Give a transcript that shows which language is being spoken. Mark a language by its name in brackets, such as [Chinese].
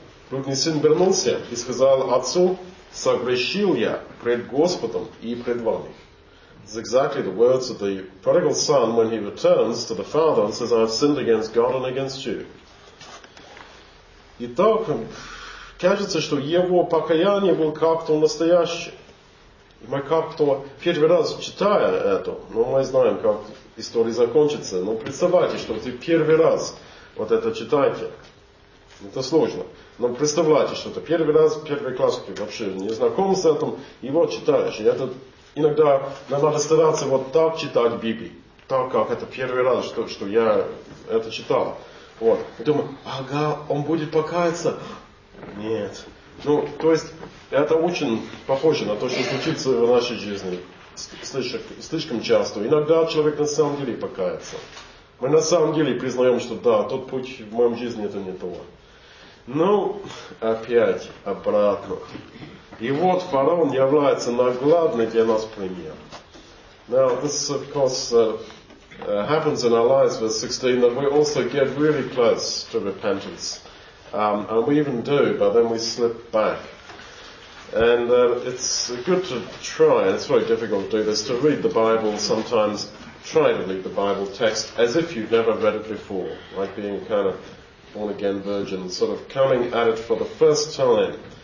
[Russian] Блудный сын вернулся и сказал отцу, согрешил я пред Господом и пред вами. [English] It's exactly the words of the prodigal son when he returns to the father and says, I have sinned against God and against you. [Russian] Итак, кажется, что его покаяние было как-то настоящее. Мы как-то первый раз читая это, но мы знаем, как история закончится. Но представьте, что ты первый раз вот это читаете. Это сложно. Но представляете, что это первый раз, первый класс, вообще не знаком с этим, и вот читаешь. И это иногда нам надо стараться вот так читать Библию. Так, как это первый раз, что я это читал. Вот. И думаю, ага, он будет покаяться? Нет. Ну, то есть, это очень похоже на то, что случится в нашей жизни слишком часто. Иногда человек на самом деле покаяется. Мы на самом деле признаем, что да, тот путь в моем жизни это не то. Ну, опять обратно. И вот фараон является наглядным для нас примером. [English] Now, this of course happens in our lives, verse 16, that we also get really close to repentance. And we even do, but then we slip back. And it's good to try, and it's very difficult to do this, to read the Bible sometimes, try to read the Bible text as if you've never read it before, like being kind of born again virgin, sort of coming at it for the first time.